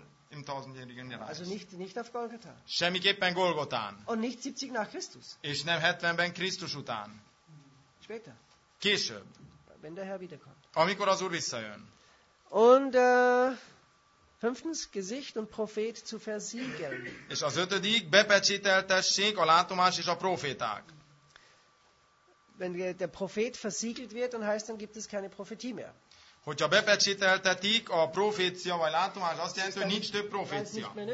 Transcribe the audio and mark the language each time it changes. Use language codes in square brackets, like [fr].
[de] Im tausendjährigen Reich. Also nicht auf Golgatha. [hu] Semmiképpen Golgotán. [de] Und nicht 70 nach Christus. [hu] És nem 70-ben Krisztus után. [de] Später. [hu] Később. [de] Wenn der Herr wiederkommt. [hu] Amikor az Úr visszajön. [de] Und fünftens, Gesicht und Prophet zu versiegeln. [hu] És az ötödik, bepecsételtessék a látomás és a proféták. [de] Wenn der Prophet versiegelt wird, dann heißt, dann gibt es keine Prophetie mehr. [hu] Hogyha bepecsételtetik a profécia vagy látomás, azt jelenti, hogy nincs több profécia.